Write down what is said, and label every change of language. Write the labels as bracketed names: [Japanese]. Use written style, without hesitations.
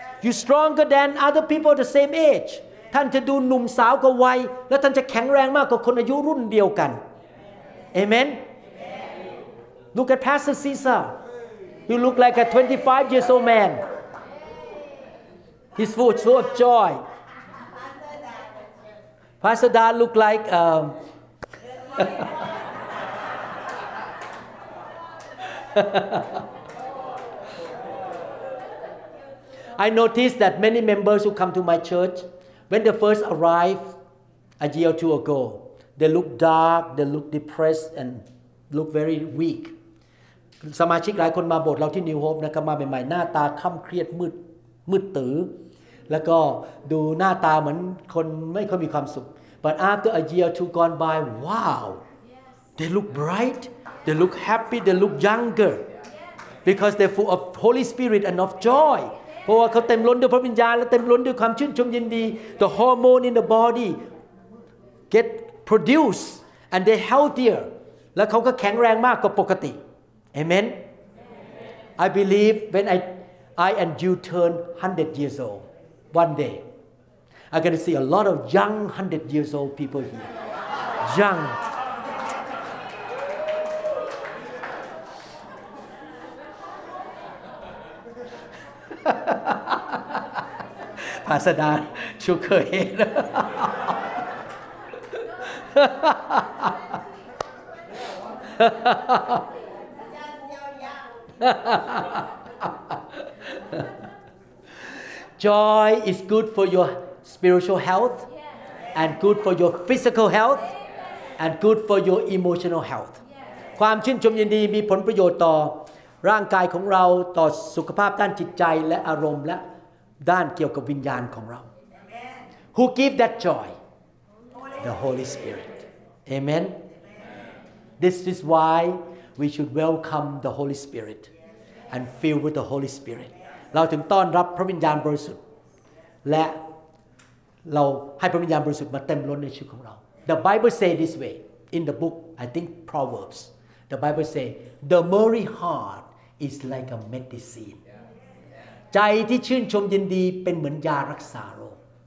[English] You stronger than other people the same age. [Thai] ท่านจะดูหนุ่มสาวกว่าวัยและท่านจะแข็งแรงมากกว่าคนอายุรุ่นเดียวกัน [English] Amen. Look at Pastor Caesar. You look like a 25 years old man. He's full of joy. Pastor Dan look like I noticed that many members who come to my church when they first arrive a year or two ago they look dark they look depressed and look very weak [Thai] สมาชิกหลายคนมาโบสถ์เราที่ New Hope นะครับมาใหม่ๆหน้าตาค่ำเครียดมืดตื้อแล้วก็ดูหน้าตาเหมือนคนไม่ค่อยมีความสุข [English] But after a year or two gone by, wow, they look bright, they look happy, they look younger. Because they're full of Holy Spirit and of joy. [Thai] เพราะว่าเขาเต็มล้นด้วยพระวิญญาณและเต็มล้นด้วยความชื่นชมยินดี [English] The hormone in the body get produced and they're healthier. [Thai] และเขาก็แข็งแรงมากกว่าปกติ [English] Amen. I believe when I and you turn 100 years old one day, I'm going to see a lot of young 100 years old people here. Young. ภาษาดาชุกเคยเห็น Joy is good for your spiritual health and good for your physical health and good for your emotional health [Thai] ความชื่นชมยินดีมีผลประโยชน์ต่อ ร่างกายของเราต่อสุขภาพด้านจิตใจและอารมณ์และด้านเกี่ยวกับวิญญาณของเรา [English] Who give that joy? The Holy Spirit. Amen. This is why we should welcome the Holy Spirit and fill with the Holy Spirit. [Thai] เราถึงต้อนรับพระวิญญาณบริสุทธิ์และเราให้พระวิญญาณบริสุทธิ์มาเต็มล้นในชีวิตของเรา [English] The Bible say this way in the book I think Proverbs The Bible say the merry heart is like a medicine [Thai] ใจที่ชื่นชมยินดีเป็นเหมือนยารักษาโรค